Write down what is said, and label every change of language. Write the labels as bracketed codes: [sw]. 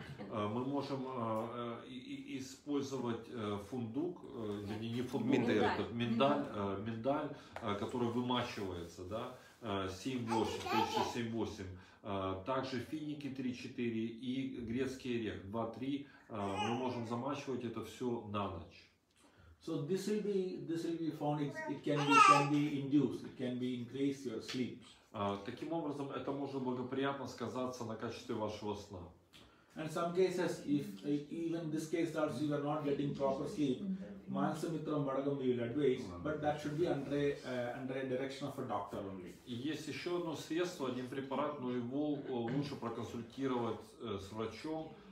[ru] Мы можем использовать фундук, не фундук, миндаль, который вымачивается, да, 7-8, также финики 3-4 и грецкий орех 2-3, мы можем замачивать это все на ночь. [en] So this will be found, it can be induced, it can be increase your sleep. [ru] Таким образом, это может благоприятно сказаться на качестве вашего сна. [en] And some cases, if even this case starts, you are not getting proper sleep, Mansamitram Vadagam will advise, but that should be under direction of a doctor only. [ru] Есть еще одно средство, один препарат, но его лучше проконсультировать с врачом.